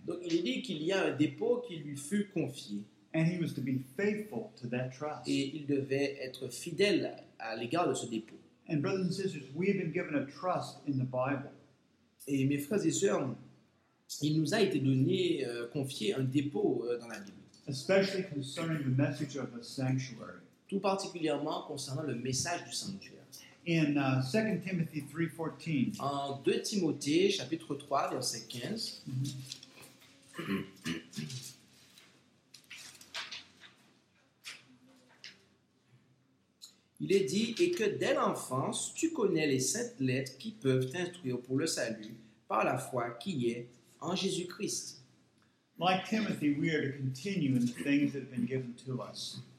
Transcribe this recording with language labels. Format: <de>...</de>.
<fr>Donc il dit qu'il y a un dépôt qui lui fut confié.</fr> <en>And he was to be faithful to that trust.</en> <fr>Et il devait être fidèle à l'égard de ce dépôt.</fr> <en>And brothers and sisters, we have been given a trust in the Bible.</en> <fr>Et mes frères et sœurs, il nous a été donné, confié un dépôt dans la Bible.</fr> <en>Especially concerning the message of the sanctuary.</en> <fr>Tout particulièrement concernant le message du sanctuaire.</fr> <en>In 2 Timothy 3:14.</en> <fr>En 2 Timothée, chapitre 3, verset 15. Il est dit, et que dès l'enfance, tu connais les saintes lettres qui peuvent t'instruire pour le salut par la foi qui est en Jésus-Christ.</fr> <en>Like Timothy, we are to continue in the things that have been given to us.</en>